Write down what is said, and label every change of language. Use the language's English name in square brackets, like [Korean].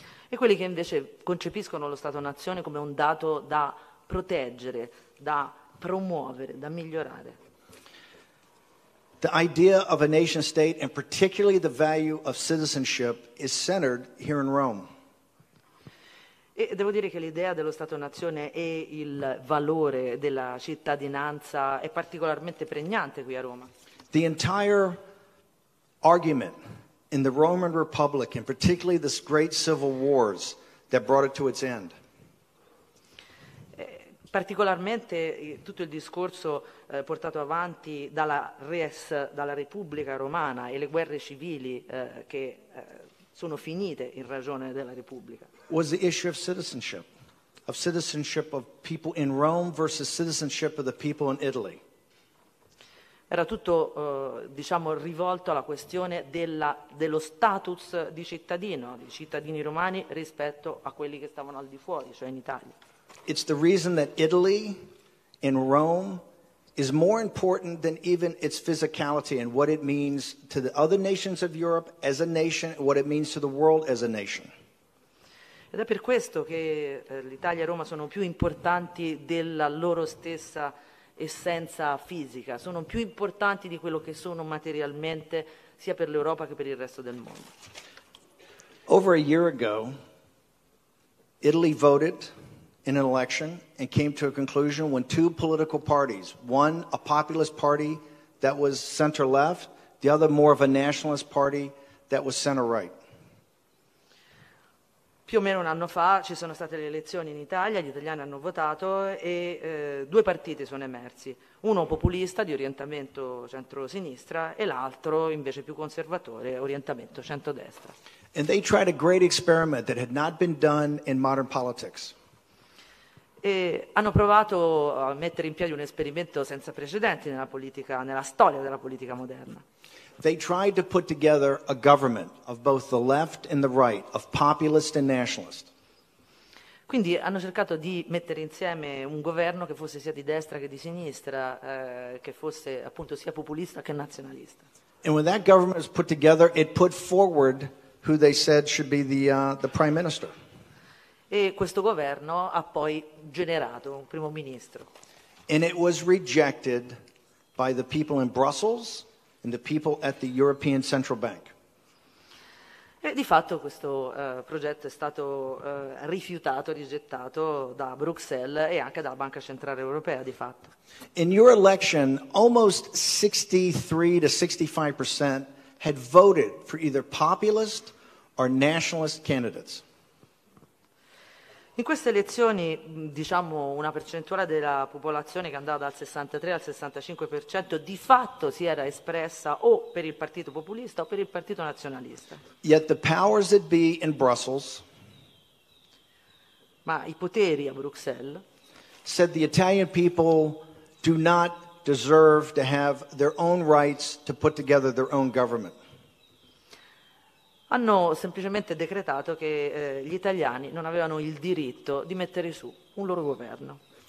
[Italian] E quelli che invece concepiscono lo Stato-Nazione come un dato da proteggere, da promuovere, da migliorare. [English] The idea of a nation state and particularly the value of citizenship is centered here in Rome. [Italian] E devo dire che l'idea dello Stato-Nazione e il valore della cittadinanza è particolarmente pregnante qui a Roma. [English] The entire argument in the Roman Republic, and particularly the great civil wars that brought it to its end. [Italian] Particolarmente tutto il discorso portato avanti dalla Res, dalla Repubblica Romana e le guerre civili che sono finite in ragione della Repubblica. [English] Was the issue of citizenship of people in Rome versus citizenship of the people in Italy. [Italian] Era tutto, diciamo, rivolto alla questione dello status di cittadino, di cittadini romani rispetto a quelli che stavano al di fuori, cioè in Italia. [English] It's the reason that Italy and Rome is more important than even its physicality and what it means to the other nations of Europe as a nation and what it means to the world as a nation. [Italian] Ed è per questo che l'Italia e Roma sono più importanti della loro stessa essenza fisica, sono più importanti di quello che sono materialmente sia per l'Europa che per il resto del mondo. [English] Over a year ago, Italy voted in an election and came to a conclusion when two political parties, one a populist party that was center-left, the other more of a nationalist party that was center-right. [Italian] Più o meno un anno fa ci sono state le elezioni in Italia, gli italiani hanno votato e due partiti sono emersi, uno populista di orientamento centro-sinistra e l'altro invece più conservatore, orientamento centro-destra. [English] And they tried a great experiment that had not been done in modern politics. [Italian] E hanno provato a mettere in piedi un esperimento senza precedenti nella politica, nella storia della politica moderna. [English] They tried to put together a government of both the left and the right, of populist and nationalist. [Italian] Quindi hanno cercato di mettere insieme un governo che fosse sia di destra che di sinistra, che fosse appunto sia populista che nazionalista. [English] And when that government was put together, it put forward who they said should be the prime minister. [Italian] E questo governo ha poi generato un primo ministro. [English] And it was rejected by the people in Brussels and the people at the European Central Bank. [Italian] E di fatto questo progetto è stato rifiutato, rigettato da Bruxelles e anche dalla Banca Centrale Europea, di fatto. [English] In your election, almost 63 to 65% had voted for either populist or nationalist candidates. [Italian] In queste elezioni, diciamo, una percentuale della popolazione che andava dal 63 al 65% di fatto si era espressa o per il partito populista o per il partito nazionalista. [English] Yet the powers that be in Brussels, [Italian] ma i poteri a Bruxelles, [English] said the Italian people do not deserve to have their own rights to put together their own government. [Italian] Hanno semplicemente decretato che gli italiani non avevano il diritto di mettere su un loro governo.